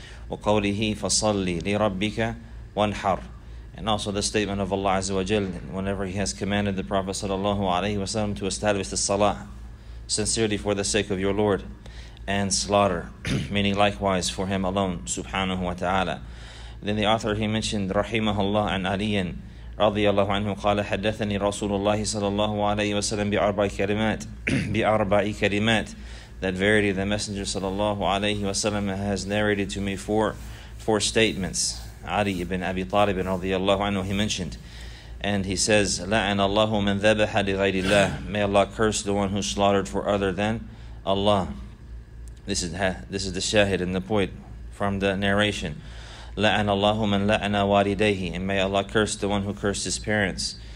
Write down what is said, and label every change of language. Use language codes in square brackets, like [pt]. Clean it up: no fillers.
[ar] وَقَوْلِهِ فَصَلِّ لِرَبِّكَ وَانْحَرْ. [en] And also the statement of Allah Azza wa Jal, whenever He has commanded the Prophet sallallahu alaihi wasallam to establish the salah, sincerely for the sake of your Lord, and slaughter, meaning likewise for Him alone, subhanahu wa ta'ala. Then the author, he mentioned, rahimahullah, an aliyan, [ar] رضي الله عنه قال حدثني رسول الله صلى الله عليه وسلم بأربع كلمات [en] بأربع كلمات, that verily the messenger صلى الله عليه وسلم has narrated to me four statements. [ar] علي بن أبي طالب رضي الله عنه, [en] he mentioned and he says, [ar] لعن الله من ذبح لغير الله, [en] may Allah curse the one who slaughtered for other than Allah. This is the shahid and the point from the narration. [ar] لَعَنَ اللَّهُ مَنْ لَعَنَ وَالِدَيْهِ, [en] and may Allah curse the one who cursed his parents.